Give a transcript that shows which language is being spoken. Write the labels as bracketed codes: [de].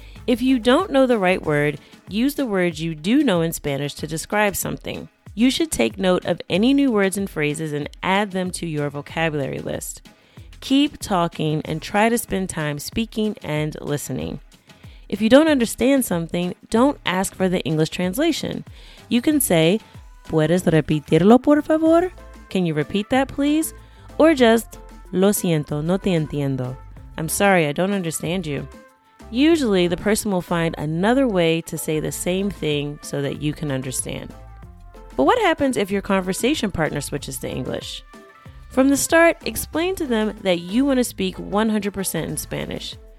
[en] If you don't know the right word, use the words you do know in Spanish to describe something. You should take note of any new words and phrases and add them to your vocabulary list. Keep talking and try to spend time speaking and listening. If you don't understand something, don't ask for the English translation. You can say, [es] ¿Puedes repetirlo, por favor? [en] Can you repeat that, please? Or just, [es] Lo siento, no te entiendo. [en] I'm sorry, I don't understand you. Usually, the person will find another way to say the same thing so that you can understand. But what happens if your conversation partner switches to English? From the start, explain to them that you want to speak 100% in Spanish.